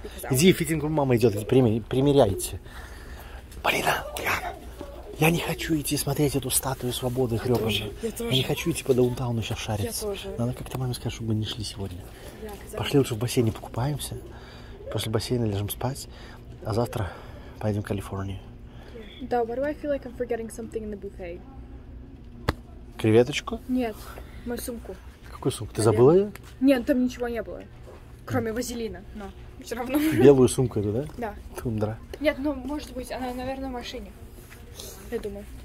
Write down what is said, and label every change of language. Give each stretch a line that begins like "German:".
Russian: Иди, фитинг-рум, мама идет, примеряйте. Полина, Ульяна, я не хочу идти смотреть эту статую свободы грёбаную. Я не хочу идти по даунтауну сейчас шариться. Надо как-то маме сказать, чтобы мы не шли сегодня. Пошли лучше в бассейне покупаемся. После бассейна лежим спать. А завтра поедем в Калифорнию.
English: Да, why do I feel like I'm forgetting something in the buffet?
Russian: Креветочку? Нет, мою сумку. Какую сумку? Ты забыла ее? Нет, там ничего не было. Кроме вазелина, но все равно. Белую сумку эту, да? Да. Тундра. Нет, ну, может быть, она, наверное, в машине. Я думаю.